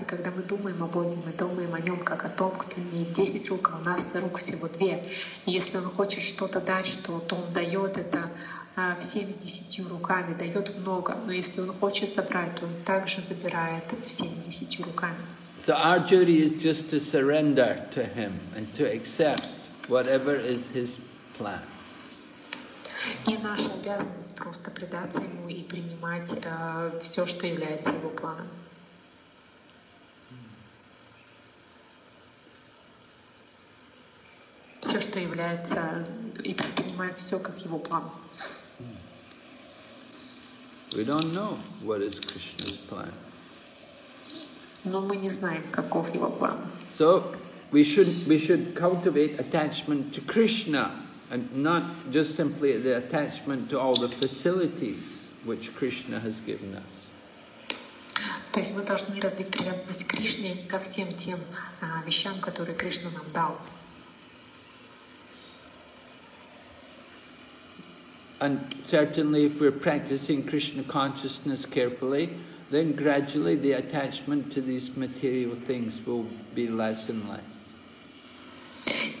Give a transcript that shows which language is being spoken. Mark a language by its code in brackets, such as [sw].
[ru] И когда мы думаем о Боге, мы думаем о нем как о том, кто имеет 10 рук, а у нас рук всего 2. И если он хочет что-то дать, то он дает это всеми 10 руками, дает много. Но если он хочет забрать, то он также забирает всеми 10 руками. [en] So our duty is just to surrender to him and to accept whatever is his plan. [ru] И наша обязанность просто предаться ему и принимать все, что является его планом. Все, что является, и принимать все, как его план. [en] We don't know what is Krishna's plan. [ru] Но мы не знаем, каков его план. [en] So we should cultivate attachment to Krishna. And not just simply the attachment to all the facilities which Krishna has given us. [ru] То есть мы должны развить привязанность к Кришне, а не ко всем тем вещам, которые Кришна нам дал. [en] And certainly if we're practicing Krishna consciousness carefully, then gradually the attachment to these material things will be less and less.